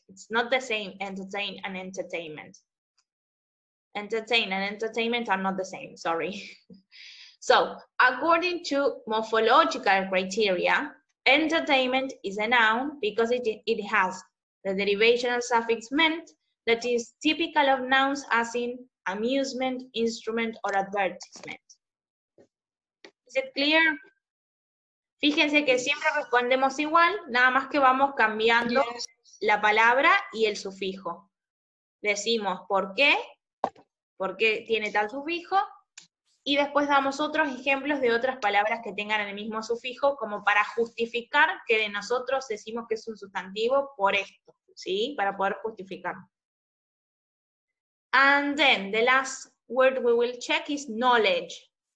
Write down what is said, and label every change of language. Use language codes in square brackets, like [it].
[en] It's not the same, entertain and entertainment. Entertain and entertainment are not the same, sorry. So, according to morphological criteria, Entertainment is a noun because it has the derivational suffix ment that is typical of nouns as in amusement, instrument, or advertisement. Is it clear? [es] Fíjense que siempre respondemos igual, nada más que vamos cambiando la palabra y el sufijo. Decimos por qué tiene tal sufijo, y después damos otros ejemplos de otras palabras que tengan el mismo sufijo, como para justificar que de nosotros decimos que es un sustantivo por esto, ¿sí? Para poder justificar. [en] And then, the last word we will check is knowledge.